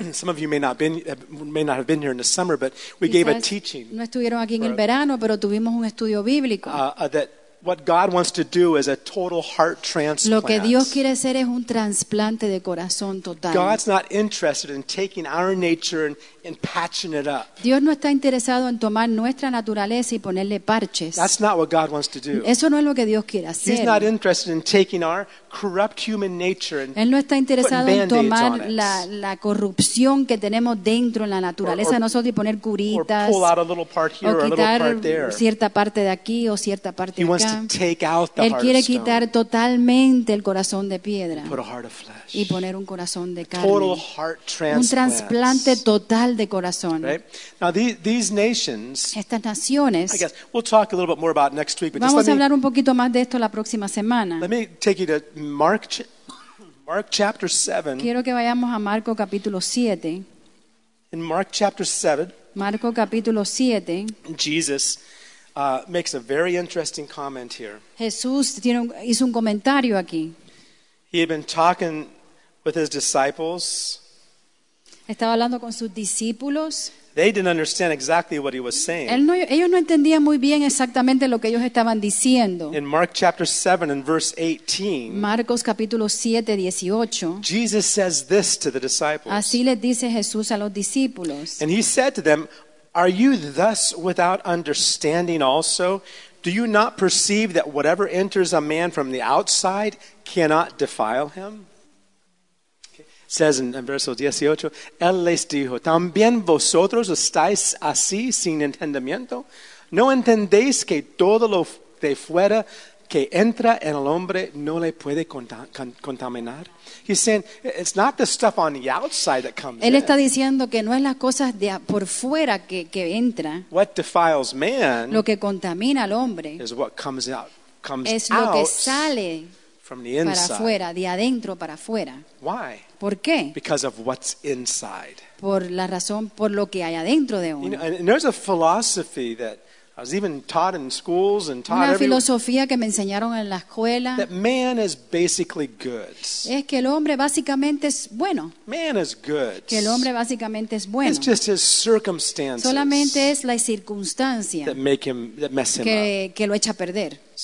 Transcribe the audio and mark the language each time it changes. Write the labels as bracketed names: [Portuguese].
[English] Some of you may not have been here in the summer, but we [Spanish] quizás [English] gave a teaching. [Spanish] No estuvieron aquí en el verano, pero tuvimos un estudio bíblico. [English] That what God wants to do is a total heart transplant. [Spanish] Lo que Dios quiere hacer es un trasplante de corazón total. [English] God's not interested in taking our nature and patching it up. [Spanish] Dios no está interesado en tomar nuestra naturaleza y ponerle parches. [English] That's not what God wants to do. [Spanish] Eso no es lo que Dios quiere hacer. [English] He's not interested in taking our corrupt human nature and [Spanish] Él no está interesado en tomar la corrupción que tenemos dentro en la naturaleza [English] or, [Spanish] de nosotros y poner curitas [English] pull out a little part here, [Spanish] o quitar [English] a little part there. [Spanish] Cierta parte de aquí o cierta parte [English] he [Spanish] de acá. [English] He wants to take out the [Spanish] Él quiere [English] heart of [Spanish] quitar [English] stone. [Spanish] Totalmente el corazón de piedra [English] put a heart of flesh. [Spanish] Y poner un corazón de a carne. [English] Total heart transplant. [Spanish] Un trasplante total de corazón. [English] Right? Now these nations. [Spanish] Estas naciones. [English] I guess we'll talk a little bit more about next week. But [Spanish] vamos [English] just [Spanish] a hablar un poquito más de esto la próxima semana. [English] Let me take you to Mark chapter 7. [Spanish] Quiero que vayamos a Marco capítulo 7. [English] In Mark chapter 7. [Spanish] Marco capítulo 7. [English] Jesus makes a very interesting comment here. [Spanish] Jesús hizo un comentario aquí. [English] He had been talking with his disciples. [Spanish] Estaba hablando con sus discípulos. [English] They didn't understand exactly what he was saying. [Spanish] Ellos no entendían muy bien exactamente lo que ellos estaban diciendo. [English] In Mark chapter 7 and verse 18. [Spanish] Marcos capítulo 7, 18. [English] Jesus says this to the disciples. [Spanish] Así les dice Jesús a los discípulos. [English] And he said to them, "Are you thus without understanding also? Do you not perceive that whatever enters a man from the outside cannot defile him?" Says in [Spanish] verso 18, Él les dijo, ¿también vosotros estáis así sin entendimiento? ¿No entendéis que todo lo de fuera que entra en el hombre no le puede contaminar? [English] He's saying, it's not the stuff on the outside that comes [Spanish] Él está diciendo que no es las cosas de por fuera que entra. [English] What defiles man [Spanish] lo que contamina al hombre [English] is what comes out. Comes [Spanish] es lo [English] out [Spanish] que sale [English] from the inside. [Spanish] Para afuera, de adentro para afuera. [English] Why? [Spanish] ¿Por qué? [English] Because of what's inside. [Spanish] Por la razón, por lo que hay adentro de uno. [English] You know, and there's a philosophy that I was even taught in schools and taught [Spanish] una filosofía que me enseñaron en la escuela. [English] That man is basically good. [Spanish] Es que el hombre básicamente es bueno. [English] Man is good. [Spanish] Que el hombre básicamente es bueno. [English] It's just his circumstances. [Spanish] Solamente es la circunstancia [English] that make him, that mess him up. [Spanish] Que lo echa a perder.